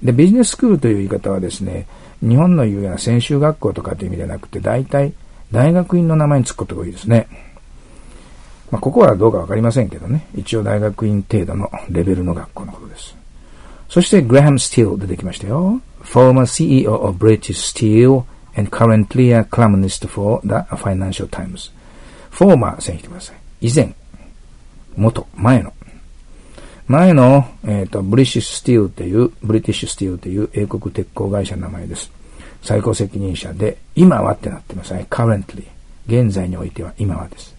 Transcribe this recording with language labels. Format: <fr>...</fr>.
<ja>で、ビジネススクールという言い方はですね、日本の言うような専修学校とかという意味ではなくて、大体大学院の名前につくことが多いですね。まあ、ここはどうかわかりませんけどね。一応大学院程度のレベルの学校のことです。そして、グラハム・スティール出てきましたよ。</ja> <en>Former CEO of British Steel and currently a columnist for the Financial Times.</en> <ja>フォーマー線引いてください。以前、元、前の。前の、ブリティッシュスティールという、ブリティッシュスティールという英国鉄鋼会社の名前です。最高責任者で、今はってなってますね。 currently。現在においては、今はです。</ja>